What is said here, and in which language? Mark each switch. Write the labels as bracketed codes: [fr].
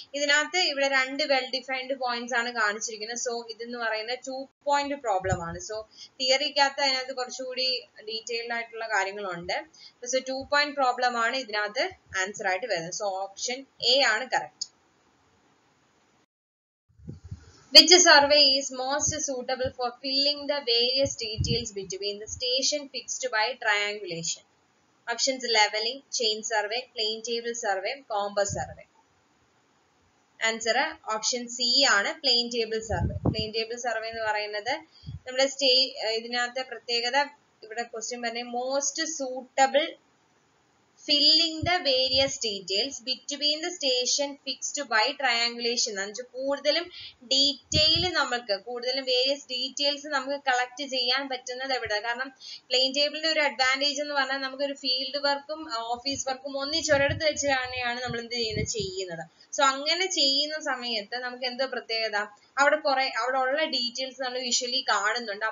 [ml] ഇതിനകത്ത് ഇവിടെ രണ്ട് വെൽ ഡിഫൈൻഡ് പോയിന്റ്സ് ആണ് കാണിച്ചിരിക്കുന്നത്. സോ ഇതെന്ന് പറയുന്നത് ടു പോയിന്റ് പ്രോബ്ലം ആണ്. സോ തിയറിക്കകത്ത് അതിനകത്ത് കുറച്ചുകൂടി ഡീറ്റെയിൽഡ് ആയിട്ടുള്ള കാര്യങ്ങളുണ്ട്. സോ ടു പോയിന്റ് പ്രോബ്ലം ആണ് ഇതിനകത്ത് ആൻസർ ആയിട്ട് വരുന്നത്. സോ ഓപ്ഷൻ എ ആണ് correct. [en] Which survey is most suitable for filling the various details between the station fixed by triangulation? Options: leveling, chain survey, plane table survey, compass survey. Answer: option C ആണ് plane table survey. Plane table survey [ml] എന്ന് പറയുന്നത് നമ്മുടെ ഇതിനകത്തെ പ്രത്യേകത ഇവിടെ [en] question പറഞ്ഞ most suitable filling the various details between the station fixed by triangulation. [ml] അഞ്ചു കൂടുതലും detail നമുക്ക് കൂടുതലും വേരിയസ് ഡീറ്റെയിൽസ് നമുക്ക് കളക്ട് ചെയ്യാൻ പറ്റുന്നത് എവിടെ? കാരണം പ്ലെയിൻ ടേബിളിന്റെ ഒരു അഡ്വാൻറ്റേജ് എന്ന് പറഞ്ഞാൽ നമുക്ക് ഒരു ഫീൽഡ് വർക്കും ഓഫീസ് വർക്കും ഒന്നിച്ച് ഒരിടത്ത് വെച്ച് തന്നെയാണ് നമ്മൾ എന്ത് ചെയ്യുന്നത്, ചെയ്യുന്നത്. സോ അങ്ങനെ ചെയ്യുന്ന സമയത്ത് നമുക്ക് എന്താ പ്രത്യേകത, അവിടെ കുറെ അവിടെ ഉള്ള ഡീറ്റെയിൽസ് നമ്മൾ വിഷ്വലി കാണുന്നുണ്ട്.